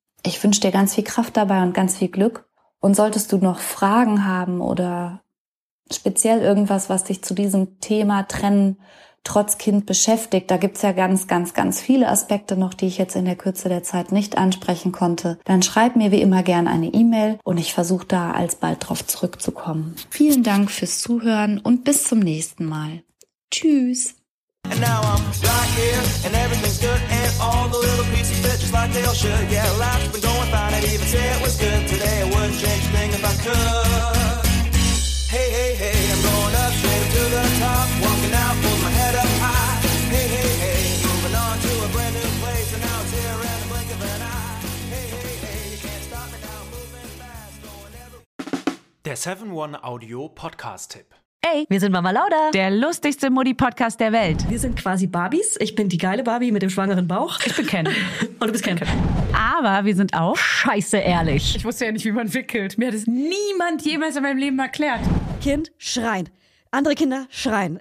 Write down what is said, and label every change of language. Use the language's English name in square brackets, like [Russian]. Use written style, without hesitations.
[German] Ich wünsche dir ganz viel Kraft dabei und ganz viel Glück. Und solltest du noch Fragen haben oder speziell irgendwas, was dich zu diesem Thema Trennen trotz Kind beschäftigt, da gibt's ja ganz, ganz, ganz viele Aspekte noch, die ich jetzt in der Kürze der Zeit nicht ansprechen konnte, dann schreib mir wie immer gern eine E-Mail und ich versuche da alsbald drauf zurückzukommen. Vielen Dank fürs Zuhören und bis zum nächsten Mal. Tschüss! [English] And now I'm right here, and everything's good, and all the little pieces fit just like they all should. Yeah, life's been going fine, I'd even say it was good today. I wouldn't change a thing if I could. Hey, hey, hey, I'm going up straight to the top, walking out, pulling my head up high. Hey, hey, hey, moving on to a brand new place, and now it's here in the blink of an eye. Hey, hey, hey, you can't stop me now, moving fast, going ever. [German] Der 7-1 Audio Podcast Tipp. Ey, wir sind Mama Lauda, der lustigste Mutti-Podcast der Welt. Wir sind quasi Barbies. Ich bin die geile Barbie mit dem schwangeren Bauch. Ich bin Ken. Und du bist Ken. Aber wir sind auch scheiße ehrlich. Ich wusste ja nicht, wie man wickelt. Mir hat es niemand jemals in meinem Leben erklärt. Kind schreien. Andere Kinder schreien.